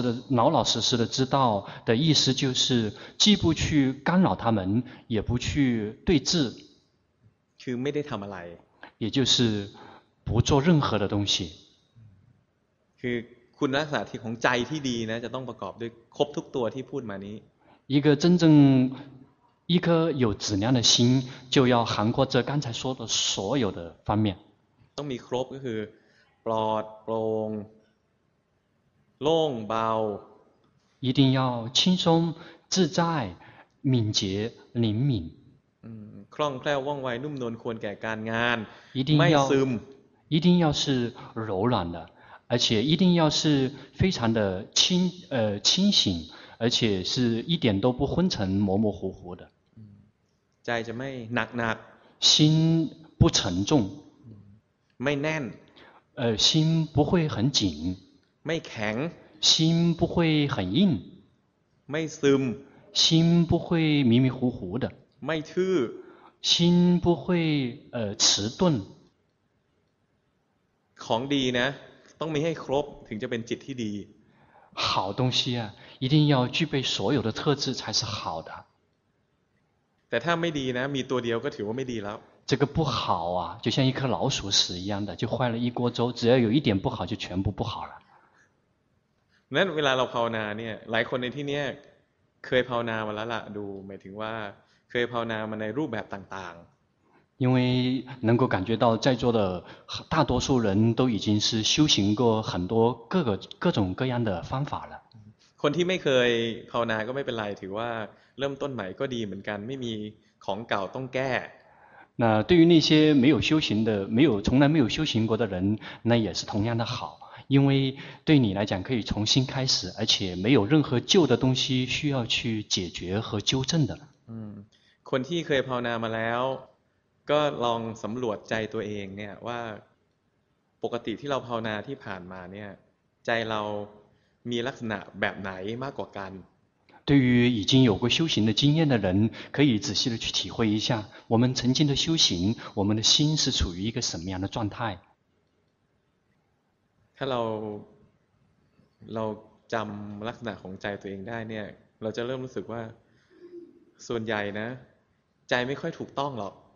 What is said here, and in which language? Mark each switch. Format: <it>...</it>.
<zh>老老实实的知道的意思就是既不去干扰他们也不去对峙</zh> <th>คือไม่ได้ทำอะไร</th> <zh>也就是不做任何的东西</zh> <th>คือคุณลักษณะที่ของใจที่ดีนะจะต้องประกอบด้วยครบทุกตัวที่พูดมานี้</th> <zh>一个真正一颗有质量的心就要涵括这刚才说的所有的方面</zh> <th>ต้องมีครบก็คือปลอดโปร่งโล่งเบา</th> <zh>一定要轻松自在敏捷灵敏</zh> <th>คล่องแคล่วว่องไวนุ่มนวลควรแก่การงาน ไม่ซึม</th> <zh>一定要是柔软的而且一定要是非常的清醒而且是一点都不昏沉模模糊糊的</zh> <th>ใจจะไม่หนักหนัก</th> <zh>心不沉重</zh> <th>ไม่แน่น</th> <zh>心不会很紧</zh> <th>ไม่แข็ง</th> <zh>心不会很硬</zh> <th>ไม่ซึม</th> <zh>心不会迷迷糊糊的</zh> <th>ไม่ทื่อ</th> <zh>心不会迟钝</zh> <th>ของดีนะต้องมีให้ครบถึงจะเป็นจิตที่ดี</th> <zh>好东西啊一定要具备所有的特质才是好的</zh> <th>แต่ถ้าไม่ดีนะมีตัวเดียวก็ถือว่าไม่ดีแล้ว</th> <zh>这个不好啊就像一颗老鼠屎一样的就坏了一锅粥只要有一点不好就全部不好了</zh> <th>นั้นเวลาเราภาวนาเนี่ยหลายคนในที่เนี้ยเคยภาวนามาแล้วล่ะดูหมายถึงว่าเคยภาวนามาในรูปแบบต่างๆ</th> <zh>因为能够感觉到在座的大多数人都已经是修行过很多各种各样的方法了</zh> <th>คนที่ไม่เคยภาวนาก็ไม่เป็นไรถือว่าเริ่มต้นใหม่ก็ดีเหมือนกันไม่มีของเก่าต้องแก้</th> <zh>那对于那些没有修行的没有从来没有修行过的人那也是同样的好因为对你来讲可以重新开始而且没有任何旧的东西需要去解决和纠正的</zh> <th>คนที่เคยภาวนามาแล้วก็ลองสำรวจใจตัวเองเนี่ยว่าปกติที่เราภาวนาที่ผ่านมาเนี่ยใจเรามีลักษณะแบบไหนมากกว่ากัน</th> <zh>对于已经有过修行的经验的人可以仔细的去体会一下我们曾经的修行我们的心是处于一个什么样的状态</zh> <th>ถ้าเราจำลักษณะของใจตัวเองได้เนี่ยเราจะเริ่มรู้สึกว่าส่วนใหญ่นะใจไม่ค่อยถูกต้องหรอก</th>